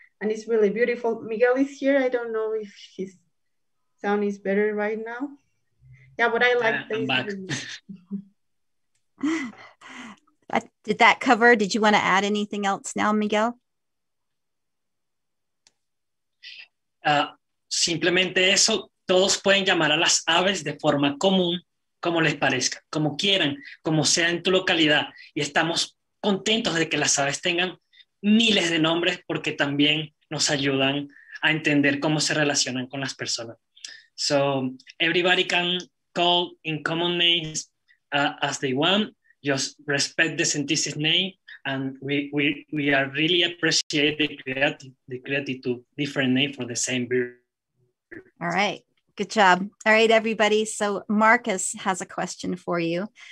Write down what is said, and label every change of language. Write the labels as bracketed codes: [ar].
[en] And it's really beautiful. Miguel is here. I don't know if his sound is better right now. Yeah, but I like this. I'm back. Did that cover? Did you want to add anything else now, Miguel? [es] Simplemente eso, todos pueden llamar a las aves de forma común, como les parezca, como quieran, como sea en tu localidad. Y estamos contentos de que las aves tengan miles de nombres porque también nos ayudan a entender cómo se relacionan con las personas. [en] So, everybody can call in common names as they want. Just respect the scientist's name, and we are really appreciate the creativity different name for the same bird. All right, good job. All right, everybody. So Marcus has a question for you.